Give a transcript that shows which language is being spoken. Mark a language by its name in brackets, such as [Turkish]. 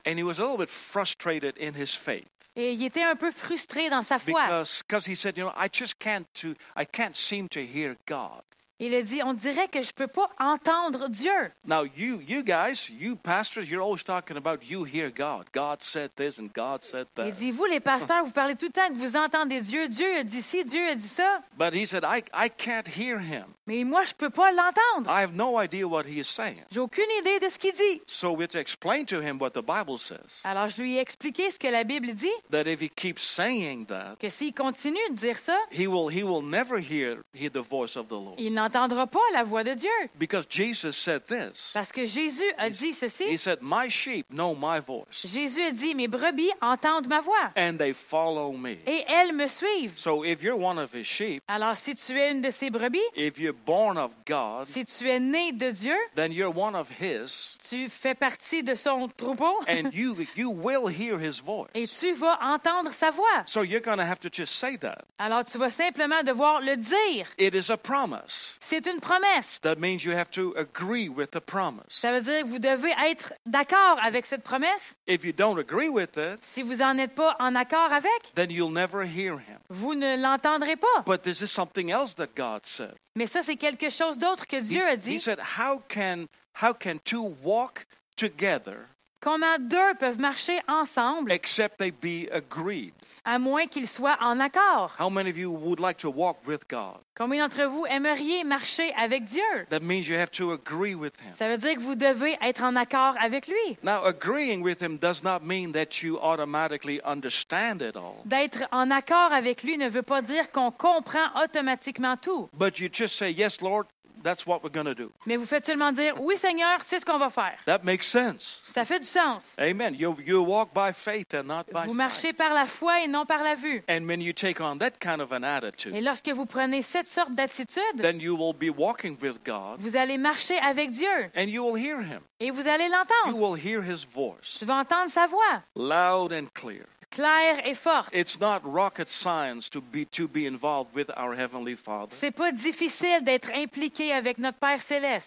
[English] And he was a little bit frustrated in his faith. [French] Et il était un peu frustré dans sa foi. [English] Because he said, you know, I can't seem to hear God. [French] Il a dit, on dirait que je peux pas entendre Dieu. [English] Now you guys, you pastors, you're always talking about you hear God. God said this and God said that. [French] Il dit, vous les pasteurs, vous parlez tout le temps que vous entendez Dieu. Dieu a dit ci, Dieu a dit ça. [English] But he said, I can't hear him. [French] Mais moi, je peux pas l'entendre. [English] I have no idea what he is saying. [French] J'ai aucune idée de ce qu'il dit. [English] So we have to explain to him what the Bible says. [French] Alors je lui ai expliqué ce que la Bible dit. [English] That if he keeps saying that, [French] que s'il continue de dire ça, [English] he will never hear the voice of the Lord. [French] Il n'entendra pas la voix de Dieu. [English] Because Jesus said this. [French] Parce que Jésus a dit ceci. [English] He said, my sheep know my voice. [French] Jésus a dit, mes brebis entendent ma voix. [English] And they follow me. [French] Et elles me suivent. [English] So if you're one of his sheep, [French] alors si tu es une de ses brebis, [English] if you're you're born of God, [French] si tu es né de Dieu, [English] then you're one of His. [French] Tu fais partie de son troupeau. [English] And you will hear His voice. [French] Et tu vas entendre sa voix. [English] So you're going to have to just say that. [French] Alors tu vas simplement devoir le dire. [English] It is a promise. [French] C'est une promesse. [English] That means you have to agree with the promise. [French] Ça veut dire que vous devez être d'accord avec cette promesse. [English] If you don't agree with it, [French] si vous en êtes pas en accord avec, [English] then you'll never hear Him. [French] Vous ne l'entendrez pas. [English] But this is something else that God said. [French] Mais ça, c'est quelque chose d'autre que Dieu a dit. [English] He said, how can two walk together? [French] Comment deux peuvent marcher ensemble? [English] Except they be agreed. [French] À moins qu'ils soient en accord. [English] How many of you would like to walk with God? [French] Combien d'entre vous aimeriez marcher avec Dieu? [English] That means you have to agree with Him. [French] Ça veut dire que vous devez être en accord avec lui. [English] Now, agreeing with Him does not mean that you automatically understand it all. [French] D'être en accord avec lui ne veut pas dire qu'on comprend automatiquement tout. [English] But you just say, yes, Lord. That's what we're going to do. [French] Mais vous faites seulement dire, oui, Seigneur, c'est ce qu'on va faire. [English] That makes sense. [French] Ça fait du sens. [English] Amen. You walk by faith and not by sight. [French] Vous marchez par la foi et non par la vue. [English] And when you take on that kind of an attitude, [French] et lorsque vous prenez cette sorte d'attitude, [English] then you will be walking with God. [French] Vous allez marcher avec Dieu. [English] And you will hear Him. [French] Et vous allez l'entendre. [English] You will hear His voice. [French] Tu vas entendre sa voix. [English] Loud and clear. [French] Clair et fort. [English] It's not rocket science to be involved with our Heavenly Father. [French] C'est pas difficile d'être impliqué avec notre Père Céleste.